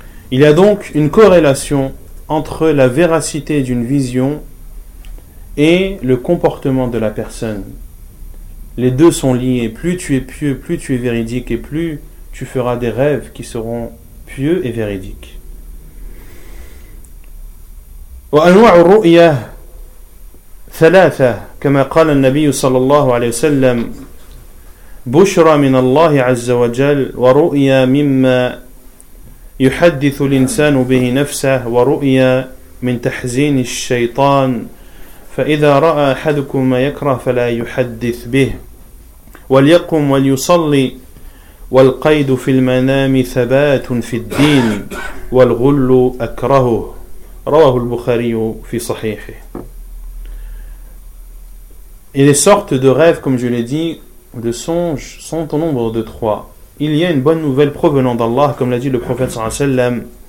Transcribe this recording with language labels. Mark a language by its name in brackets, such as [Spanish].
[French] Il y a donc une corrélation entre la véracité d'une vision et le comportement de la personne. Les deux sont liés. Plus tu es pieux, plus tu es véridique et plus tu feras des rêves qui seront pieux et véridiques. [Arabic] وأنواع الرؤية ثلاثة كما قال النبي صلى الله عليه وسلم بشرى من الله عز وجل ورؤيا مما يحدث الإنسان به نفسه ورؤيا من تحزين الشيطان فإذا رأى أحدكم ما يكره فلا يحدث به وليقم وليصلي والقيد في المنام ثبات في الدين والغل أكرهه رواه البخاري في صحيحه. [French] Et les sortes de rêves, comme je l'ai dit, de songes, sont au nombre de trois. Il y a une bonne nouvelle provenant d'Allah, comme l'a dit le prophète sallallahu alayhi wa sallam.